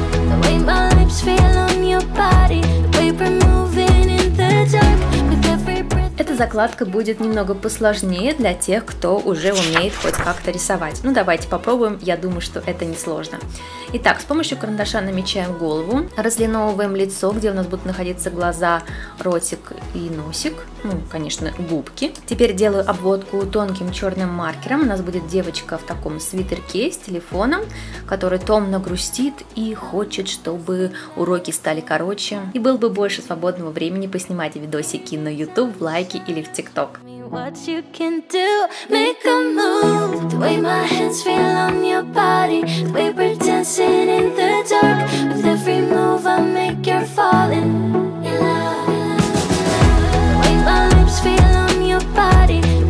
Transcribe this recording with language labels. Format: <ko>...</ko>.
<en>The way my lips feel on your body. We were moving in the dark.</en> <ru>Эта закладка будет немного посложнее для тех, кто уже умеет хоть как-то рисовать. Ну, давайте попробуем, я думаю, что это несложно. Итак, с помощью карандаша намечаем голову, разлиновываем лицо, где у нас будут находиться глаза, ротик и носик. ну, конечно, губки. Теперь делаю обводку тонким черным маркером. У нас будет девочка в таком свитерке с телефоном, который томно грустит и хочет, чтобы уроки стали короче. И был бы больше свободного времени поснимать видосики на YouTube, в лайки или в TikTok.</ru> <en>What you can do, make a move. The way my hands feel on your body, the way we're dancing in the dark. With every move I make, you're falling in love. The way my lips feel on your body.</en>